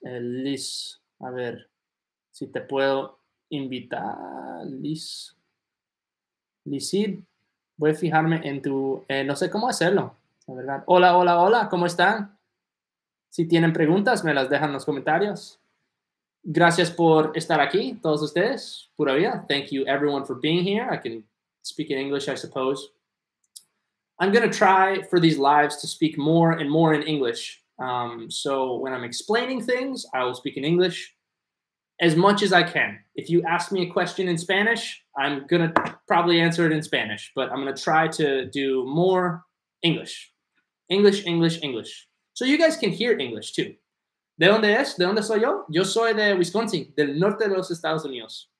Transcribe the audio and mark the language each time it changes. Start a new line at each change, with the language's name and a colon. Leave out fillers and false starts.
Spanish: Liz, a ver si te puedo invitar. Liz. Lizid, voy a fijarme en tu... no sé cómo hacerlo. ¿Verdad? Hola, hola, hola, ¿cómo están? Si tienen preguntas, me las dejan en los comentarios. Gracias por estar aquí, todos ustedes. Pura vida.
English: Thank you, everyone, for being here. I can speak in English, I suppose. I'm going to try for these lives to speak more and more in English. So when I'm explaining things, I will speak in English as much as I can. If you ask me a question in Spanish, I'm going to probably answer it in Spanish. But I'm going to try to do more English. English, English, English. So you guys can hear English too.
Spanish: ¿De dónde es? ¿De dónde soy yo? Yo soy de Wisconsin, del norte de los Estados Unidos.